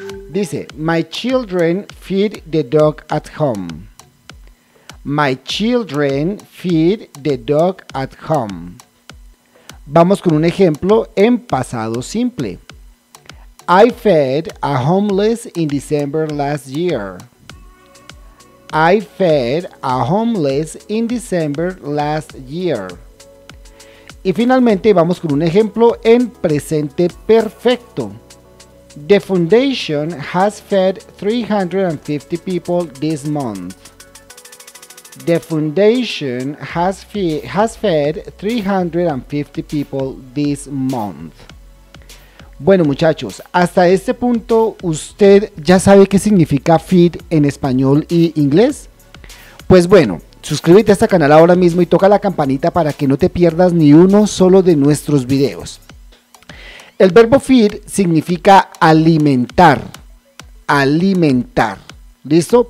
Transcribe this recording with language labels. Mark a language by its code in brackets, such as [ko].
[es] Dice, [en] my children feed the dog at home. My children feed the dog at home. [es] Vamos con un ejemplo en pasado simple. [en] I fed a homeless in December last year. I fed a homeless in December last year. [es] Y finalmente vamos con un ejemplo en presente perfecto. [en] The foundation has fed 350 people this month. The foundation has fed 350 people this month. [es] Bueno, muchachos, hasta este punto usted ya sabe qué significa feed en español y inglés. Pues bueno, suscríbete a este canal ahora mismo y toca la campanita para que no te pierdas ni uno solo de nuestros videos. El verbo feed significa alimentar. Alimentar. ¿Listo?